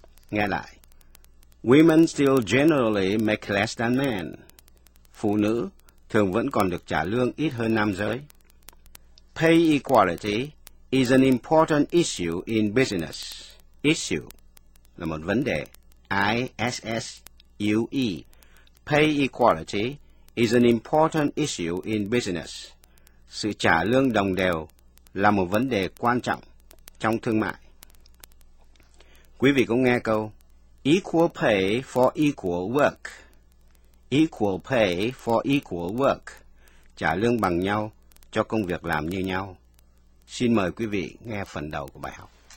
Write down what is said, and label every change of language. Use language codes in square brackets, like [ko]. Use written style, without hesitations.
[vi] Nghe lại, [en] women still generally make less than men. [vi] Phụ nữ thường vẫn còn được trả lương ít hơn nam giới. [en] Pay equality is an important issue in business. [vi] Issue là một vấn đề, I-S-S-U-E. [en] Pay equality is an important issue in business. [vi] Sự trả lương đồng đều là một vấn đề quan trọng trong thương mại. Quý vị cũng nghe câu, [en] equal pay for equal work. Equal pay for equal work. [vi] Trả lương bằng nhau cho công việc làm như nhau. Xin mời quý vị nghe phần đầu của bài học.